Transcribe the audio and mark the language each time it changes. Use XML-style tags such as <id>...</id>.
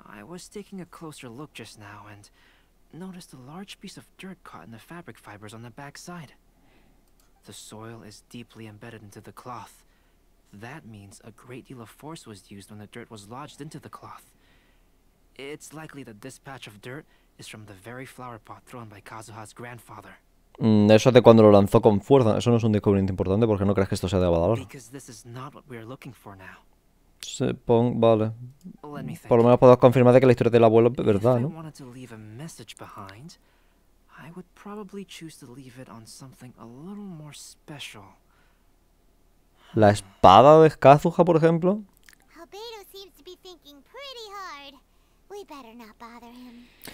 <en>I was taking a closer look just now and noticed a large piece of dirt caught in the fabric fibers on the back side. The soil is deeply embedded into the cloth. That means a great deal of force was used when the dirt was lodged into the cloth. It's likely that this patch of dirt is from the very flower pot thrown by Kazuha's grandfather.</en> <es>Eso de cuando lo lanzó con fuerza, eso no es un descubrimiento importante porque no crees que esto sea de valor.</es> <en>Because this is not what we are looking for now.</en> <es>Vale. Por lo menos podemos confirmar de que la historia del abuelo es verdad, ¿no?</es> <en>If I wanted to leave a message behind, I would probably choose to leave it on something a little more special.</en> <es>La espada de Kazuha, por ejemplo.</es> <en>Albedo seems to be thinking pretty hard. We better not bother him.</en>